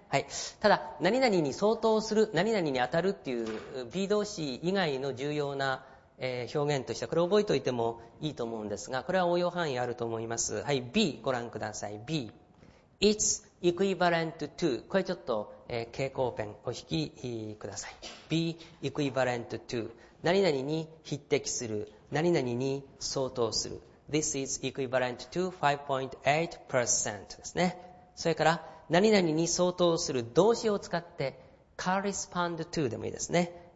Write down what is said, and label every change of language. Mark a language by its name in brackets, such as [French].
[Japanese] はい、ただ何々に相当する、何々に当たるっていう B 動詞以外の重要な表現としてこれを覚えておいてもいいと思うんですが、これは応用範囲あると思います。はい、 B ご覧ください。 B [English] It's equivalent to、 [Japanese] これちょっと、蛍光ペンお引きください。 B [English] equivalent to、 [Japanese] 何々に匹敵する、何々に相当する。 [English] This is equivalent to 5.8% [Japanese] ですね。それから何々に相当する動詞を使って [English] correspond to [Japanese] でもいいですね。